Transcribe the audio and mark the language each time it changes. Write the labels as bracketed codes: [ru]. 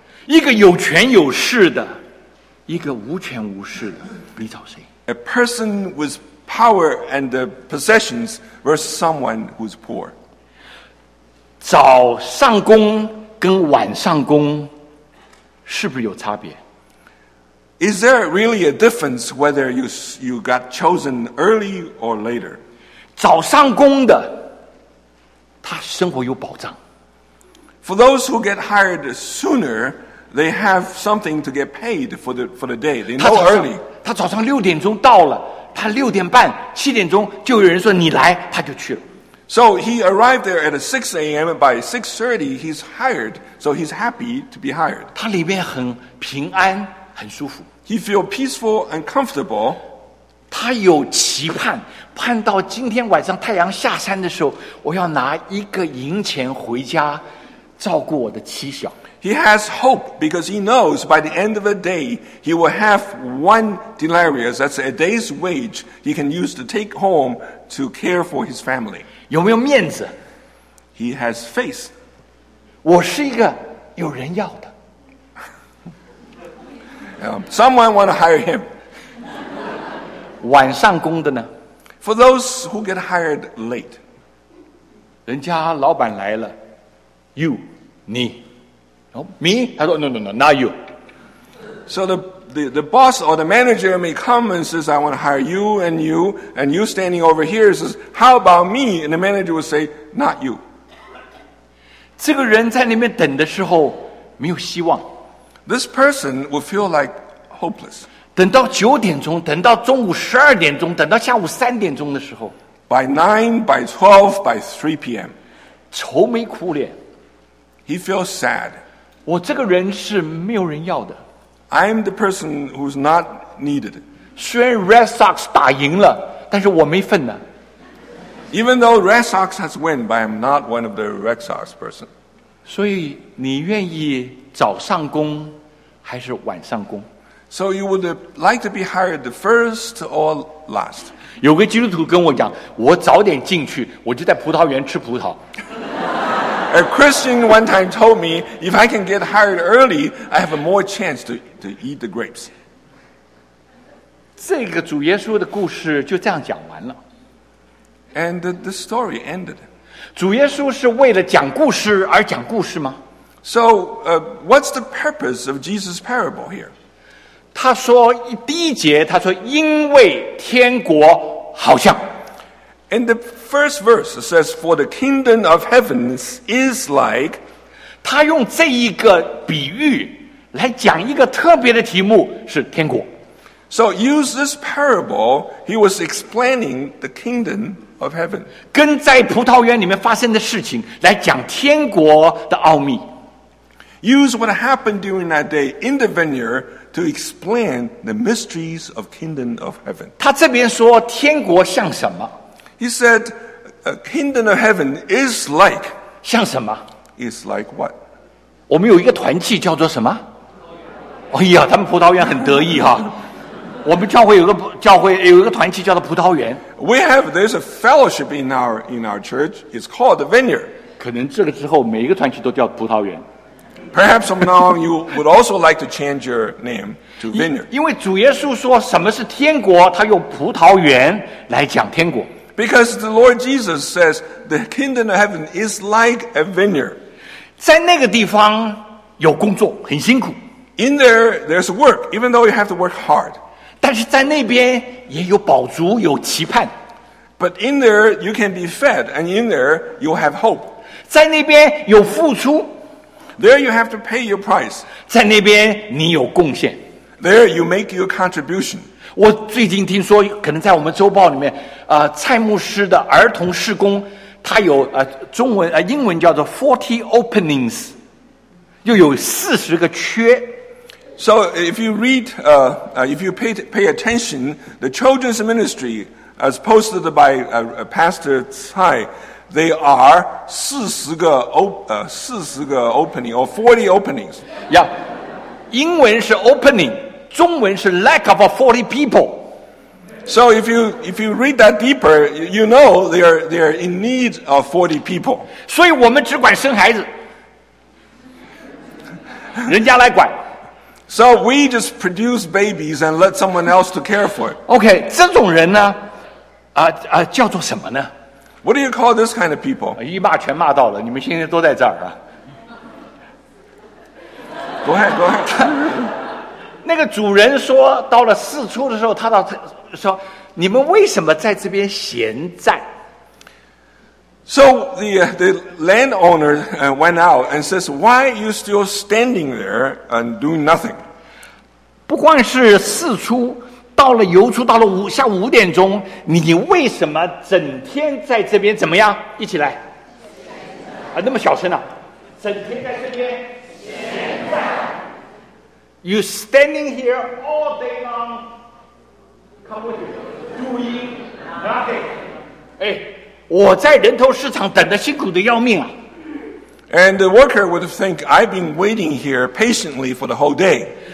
[zh] 一个有权有势的一个无权无势的，你找谁？ [en] A person with power and possessions versus someone who's poor. [zh] 早上工跟晚上工是不是有差别？ [en] Is there really a difference whether you got chosen early or later? [zh] 早上工的他生活有保障。 [en] For those who get hired sooner, they have something to get paid for the day. They know early. [zh] 他早上六点钟到了，他六点半七点钟就有人说你来，他就去了。 [en] So he arrived there at 6 a.m. and by 6:30 he's hired. So he's happy to be hired. [zh] 他里面很平安，很舒服。 [en] He feels peaceful and comfortable. [zh] 他有期盼，盼到今天晚上太阳下山的时候，我要拿一个银钱回家照顾我的妻小。 [en] He has hope because he knows by the end of the day he will have one denarius, that's a day's wage he can use to take home to care for his family. [zh] 有没有面子？ [en] He has face. [zh] 我是一个有人要的。 [en] Someone want to hire him. [zh] 晚上工的呢？ [en] For those who get hired late. [zh] 人家老板来了， [en] you, [zh] 你。 [en] Me? [zh] 他说 [en] no, not you. So the boss or the manager may come and says, I want to hire you and you, and you standing over here says, how about me? And the manager will say, not you. [zh] 这个人在那边等的时候没有希望。 [en] This person will feel like hopeless. [zh] 等到九点钟，等到中午十二点钟，等到下午三点钟的时候。 [en] By 9, by 12, by 3 p.m. [zh] 愁眉苦脸。 [en] He feels sad. [zh] 我这个人是没有人要的。 [en] I'm the person who's not needed. [zh] 虽然 Red Sox 打赢了，但是我没份呢。 [en] Even though Red Sox has won, but I'm not one of the Red Sox person. [zh] 所以你愿意早上工还是晚上工？ [en] So you would like to be hired the first or last? [zh] 有个基督徒跟我讲，我早点进去，我就在葡萄园吃葡萄。 [en] A Christian one time told me, if I can get hired early, I have a more chance to eat the grapes. [zh] 这个主耶稣的故事就这样讲完了。 [en] And the story ended. [zh] 主耶稣是为了讲故事而讲故事吗？ [en] So, what's the purpose of Jesus' parable here? [zh] 他说第一节，他说因为天国好像。 [en] And the first verse says, for the kingdom of heaven is like, [zh] 他用这一个比喻来讲一个特别的题目是天国。 [en] So use this parable, he was explaining the kingdom of heaven. [zh] 跟在葡萄园里面发生的事情来讲天国的奥秘。 [en] Use what happened during that day in the vineyard to explain the mysteries of kingdom of heaven. [zh] 他这边说天国像什么？ [en] He said, a kingdom of heaven is like. [zh] 像什么？ [en] Is like what? [zh] 我们有一个团契叫做什么？哎呀，他们葡萄园很得意哈。我们教会有个教会有一个团契叫做葡萄园。 [en] We have, there's a fellowship in our church. It's called the vineyard. [zh] 可能这个之后每一个团契都叫葡萄园。 [en] Perhaps from now on you would also like to change your name to vineyard. [zh] 因为主耶稣说什么是天国，他用葡萄园来讲天国。 [en] Because the Lord Jesus says the kingdom of heaven is like a vineyard. [zh] 在那个地方有工作，很辛苦。 [en] In there, there's work, even though you have to work hard. [zh] 但是在那边也有饱足，有期盼。 [en] But in there, you can be fed, and in there, you'll have hope. [zh] 在那边有付出。 [en] There you have to pay your price. [zh] 在那边你有贡献。 [en] There you make your contribution. [zh] 我最近听说，可能在我们周报里面，蔡牧师的儿童事工，他有中文英文叫做 [en] 40 openings， [zh] 又有四十个缺。 [en] So if you read, if you pay attention, the children's ministry, as posted by Pastor Tsai, they are 40 opening or 40 openings. Yeah, [zh] 英文是 [en] opening, [zh] 中文是 [en] lack of 40 people. So if you read that deeper, you know they are in need of 40 people. [zh] 所以我们只管生孩子，人家来管。 [en] So we just produce babies and let someone else to care for it. [zh] Okay, 这种人呢，叫做什么呢？ [en] What do you call this kind of people? [zh] 一骂全骂到了，你们现在都在这儿啊。 [en] Go ahead. [zh] 那个主人说，到了四处的时候，他到说，你们为什么在这边闲站？ [en] So the landowner went out and says, why are you still standing there and doing nothing? [zh] 不光是四处，到了游出，到了下午五点钟，你为什么整天在这边怎么样？一起来。那么小声啊，整天在这边闲站。 [en] You standing here all day long, come with you, doing nothing. [zh] 哎，我在人头市场等得辛苦的要命啊。 [en] And the worker would think, I've been waiting here patiently for the whole day.